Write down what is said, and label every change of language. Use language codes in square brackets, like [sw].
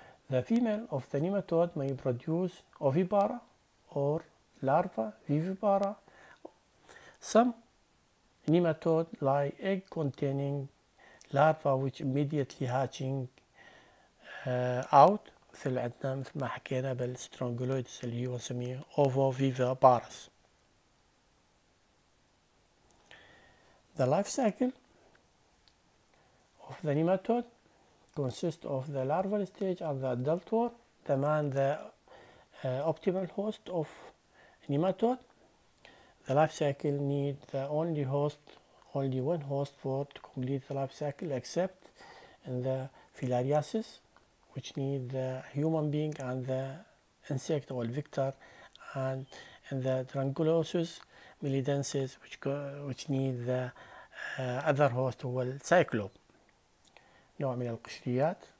[en] The female of the nematode may produce ovipara or larva vivipara. Some nematode lay egg containing larva which immediately hatching out. [ar] مثل عندنا مثل ما حكينا بالسترونجولويدس اللي هو نسميه ovoviviparas. [en] The life cycle of the nematode consists of the larval stage and the adult worm. The man the optimal host of nematode. The life cycle need the only host, only one host for to complete the life cycle except in the filariasis which need the human being and the insect or vector, and in the trunculosis melidensis which need the other host [ar] هو السايكلوب، نوع من القشريات.